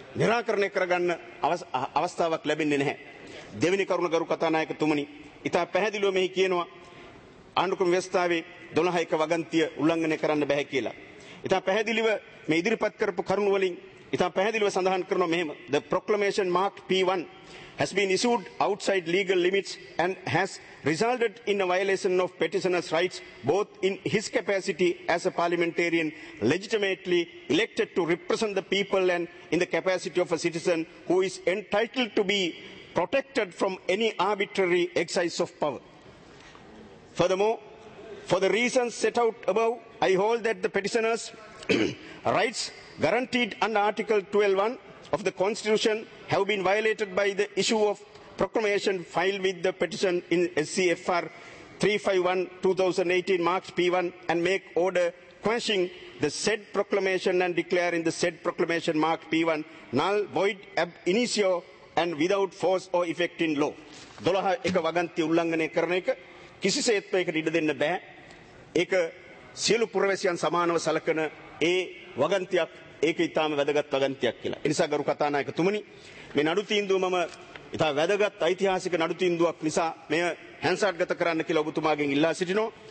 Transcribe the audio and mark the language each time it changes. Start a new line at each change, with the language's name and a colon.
Sinhala: නිරාකරණය කරගන්න අවස්ථාවක් ලැබෙන්නේ නැහැ. දෙවෙනි කරුණ ගරු කතානායකතුමනි, ඉතා පැහැදිලිව මෙහි කියනවා ආණ්ඩුක්‍රම ව්‍යවස්ථාවේ 12 වගන්තිය උල්ලංඝනය කරන්න බැහැ කියලා. ඉතා පැහැදිලිව මේ ඉදිරිපත් කරපු කරුණු වලින් ඉතා පැහැදිලිව සඳහන් කරනවා මෙහෙම.
English: The proclamation marked P1 has been issued outside legal limits and has resulted in a violation of petitioner's rights both in his capacity as a parliamentarian legitimately elected to represent the people and in the capacity of a citizen who is entitled to be protected from any arbitrary exercise of power. Furthermore, for the reasons set out above, I hold that the petitioner's rights guaranteed under Article 12(1) of the Constitution have been violated by the issue of proclamation filed with the petition in SCFR 351/2018 marks P1 and make order quashing the said proclamation and declaring the said proclamation marked P1 null, void, ab initio and without force or effect in law.
Sinhala: 12 එක වගන්ති උල්ලංඝනය කරන එක කිසිසේත්ම එකට ඉඩ දෙන්න බෑ. ඒක සියලු පුරවැසියන් සමානව සලකන ඒ වගන්තියක්. ඒක ඉතාම වැදගත් වගන්තියක් කියලා. එනිසා ගරු කතානායකතුමනි, මේ නඩු තීන්දුව මම ඉතා වැදගත් ඓතිහාසික නඩු තීන්දුවක් නිසා මෙය හැන්සාඩ්ගත කරන්න කියලා ඔබතුමාගෙන් ඉල්ලා සිටිනවා.